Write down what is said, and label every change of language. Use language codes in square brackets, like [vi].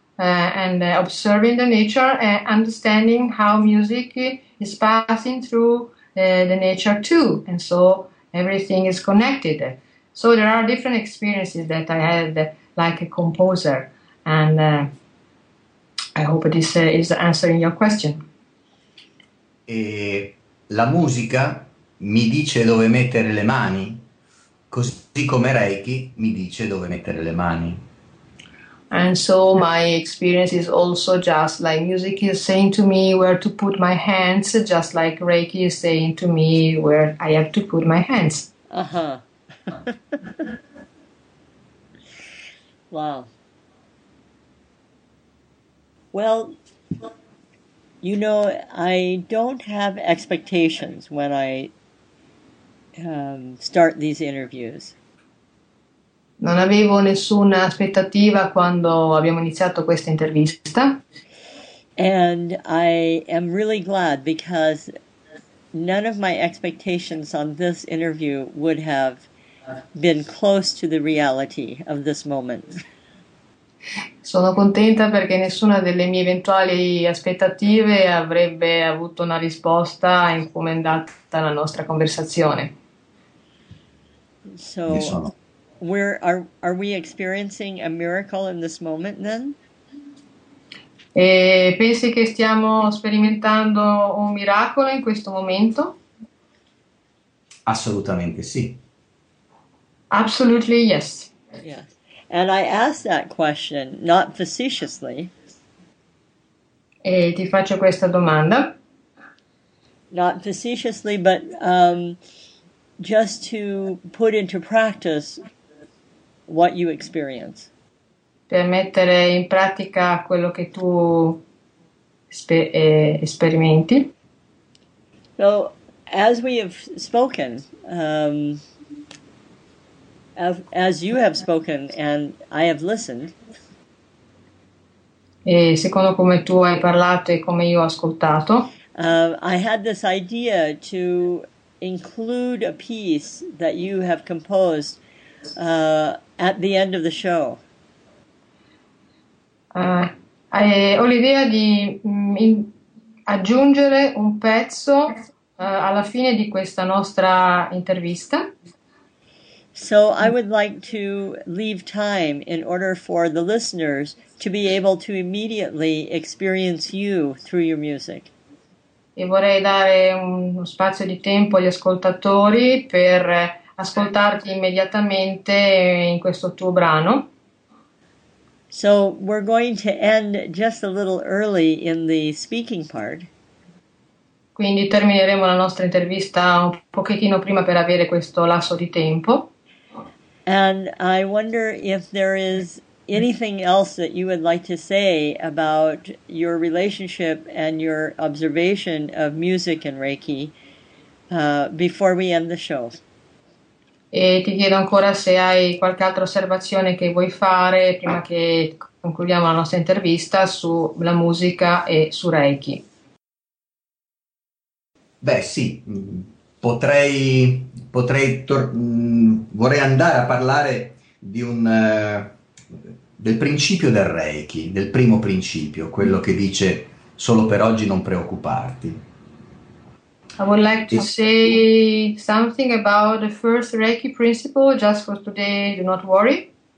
[en] and observing the nature and understanding how music is passing through the nature too. And so everything is connected. So there are different experiences that I had like a composer. And I hope this is answering your question. [it] E la musica mi dice dove mettere le mani, così come Reiki mi dice dove mettere le mani. [en] And so my experience is also just like music is saying to me where to put my hands, just like Reiki is saying to me where I have to put my hands. Wow. Well, you know, I don't have expectations when I start these interviews. [it] Non avevo nessuna aspettativa quando abbiamo iniziato questa intervista. [en] And I am really glad because none of my expectations on this interview would have been close to the reality of this moment. [it] Sono contenta perché nessuna delle mie eventuali aspettative avrebbe avuto una risposta come è andata la nostra conversazione. [en] So, are we experiencing a miracle in this moment then? [it] E pensi che stiamo sperimentando un miracolo in questo momento? Assolutamente sì. [en] Absolutely yes. Yes. And I ask that question not facetiously. [it] E ti faccio questa domanda. [en] Not facetiously, but just to put into practice what you experience. [it] Per mettere in pratica quello che tu sperimenti. [en] So, as we have spoken, as you have spoken and I have listened. [it] E secondo come tu hai parlato e come io ho ascoltato. [en] I had this idea to include a piece that you have composed at the end of the show. [it] Ho l'idea di aggiungere un pezzo alla fine di questa nostra intervista. [en] So I would like to leave time in order for the listeners to be able to immediately experience you through your music. [it] E vorrei dare uno spazio di tempo agli ascoltatori per ascoltarti immediatamente in questo tuo brano. [en] So we're going to end just a little early in the speaking part. [it] Quindi termineremo la nostra intervista un pochettino prima per avere questo lasso di tempo. [en] And I wonder if there is anything else that you would like to say about your relationship and your observation of music and Reiki before we end the show. [it] E ti chiedo ancora se hai qualche altra osservazione che vuoi fare prima che concludiamo la nostra intervista sulla musica e su Reiki. Beh, sì, vorrei andare a parlare del principio del Reiki, del primo principio, quello che dice solo per oggi non preoccuparti. [en] I would like to say something about the first Reiki principle, just for today, do not worry.